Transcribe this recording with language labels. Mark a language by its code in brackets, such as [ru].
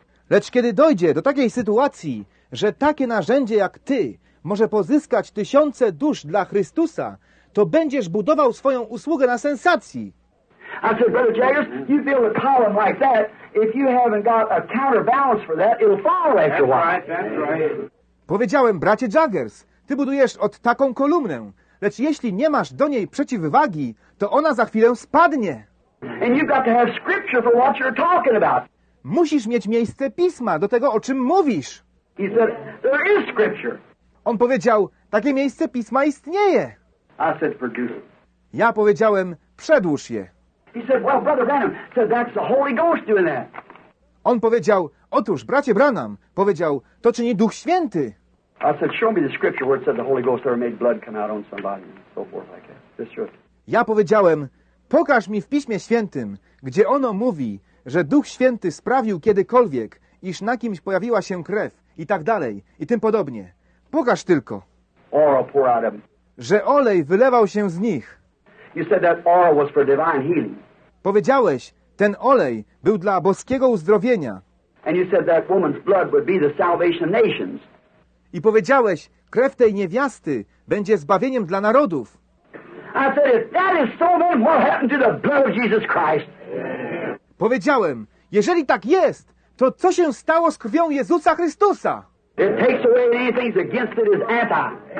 [pl] Lecz kiedy dojdzie do takiej sytuacji, że takie narzędzie jak ty może pozyskać tysiące dusz dla Chrystusa, to będziesz budował swoją usługę na sensacji. [en] I said, Brother Jaggers, you build a column like that, if you haven't got a counterbalance for that, it'll fall after a while. That's right, that's right. [pl] Powiedziałem, bracie Jaggers, ty budujesz od taką kolumnę, lecz jeśli nie masz do niej przeciwwagi, to ona za chwilę spadnie. [en] And you've got to have scripture for what you're talking about. [pl] Musisz mieć miejsce pisma do tego, o czym mówisz. [en] He said, there is scripture. [pl] On powiedział, takie miejsce pisma istnieje. [en] I said, produce. [pl] Ja powiedziałem, przedłuż je. [en] He said, well, Brother Branham, said, that's the Holy Ghost doing that. [pl] On powiedział, otóż, bracie Branham, powiedział, to czyni Duch Święty. [en] I said, show me the scripture where it said the Holy Ghost ever made blood come out on somebody and so forth like that. Just show it. [pl] Ja powiedziałem, pokaż mi w Piśmie Świętym, gdzie ono mówi, że Duch Święty sprawił kiedykolwiek, iż na kimś pojawiła się krew i tak dalej i tym podobnie. Pokaż tylko, [en] oil pour out of them. [pl] Że olej wylewał się z nich. [en] You said that oil was for divine healing. [pl] Powiedziałeś, ten olej był dla boskiego uzdrowienia. [en] And you said that woman's blood would be the salvation of nations. [pl] I powiedziałeś, krew tej niewiasty będzie zbawieniem dla narodów. [en] I said, if that is so, then what happened to the blood of Jesus Christ? [pl] Powiedziałem, jeżeli tak jest, to co się stało z krwią Jezusa Chrystusa? [en] It takes away anything against it is anti.